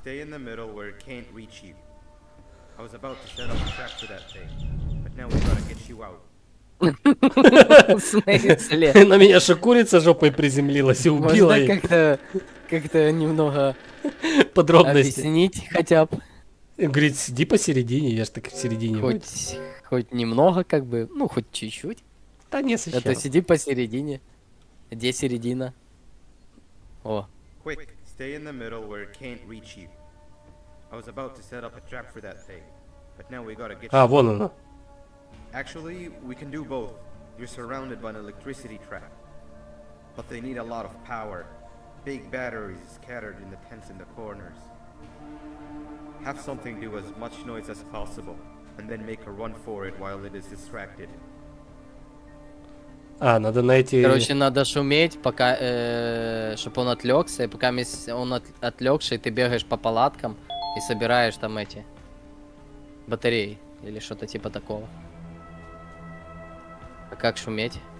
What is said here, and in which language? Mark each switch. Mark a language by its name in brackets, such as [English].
[English] Stay in the middle where it can't reach you. I was about to set up a trap for that thing, but now we gotta get you out. [Russian] В смысле? На меня же курица жопой приземлилась и убила ее. Как-то немного подробности объяснить хотя бы. Говорит, сиди посередине, я ж так в середине. Хоть немного, как бы, ну хоть чуть-чуть. Да не совсем. Это сиди посередине. Где середина? О. [English] Quick, stay in the middle where it can't reach you. I was about to set up a trap for that thing, but now we gotta get. [Russian] А вон она. [English] Actually, we can do both. You're surrounded by an electricity trap, but they need a lot of power. Big batteries scattered in the tents in the corners. Have something do as much noise as possible, and then make a run for it while it is distracted. [Russian] А, надо найти. Короче, надо шуметь, пока, чтобы он отвлекся, и пока он отвлекся, и ты бегаешь по палаткам и собираешь там эти батареи или что-то типа такого. А как шуметь?